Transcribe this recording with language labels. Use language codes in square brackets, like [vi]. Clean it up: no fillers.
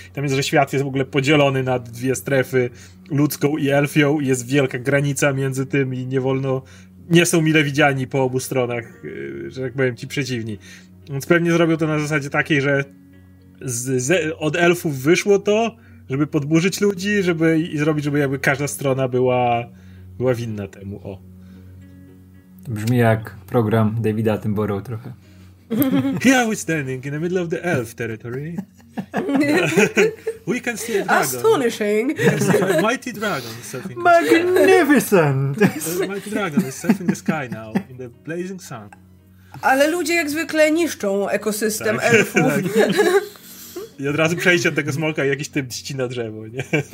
[pl] Tam jest, że świat jest w ogóle podzielony na dwie strefy, ludzką i elfią, i jest wielka granica między tym i nie wolno, nie są mile widziani po obu stronach, że tak powiem, ci przeciwni. Więc pewnie zrobią to na zasadzie takiej, że od elfów wyszło to, żeby podburzyć ludzi, żeby i zrobić, żeby jakby każda strona była winna temu. O. Brzmi jak program Davida Attenborough trochę. [en] Here we're standing in the middle of the elf territory. We can see a dragon. Astonishing. Yes, a mighty dragon is surfing. Magnificent. A mighty dragon is surfing the sky now in the blazing sun. [pl] Ale ludzie jak zwykle niszczą ekosystem tak, elfów. Tak. I od razu przejdzie od tego smoka i jakiś typ ścina drzewo, nie?